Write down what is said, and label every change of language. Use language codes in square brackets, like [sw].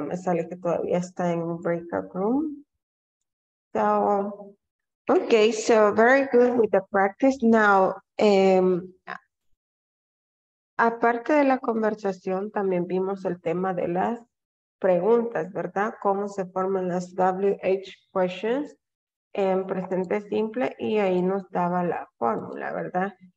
[es] Me sale que todavía está en breakout room. [en] So, okay, so very good with the practice. [es] Now, aparte de la conversación, también vimos el tema de las preguntas, ¿verdad? Cómo se forman las WH questions en presente simple y ahí nos daba la fórmula, ¿verdad?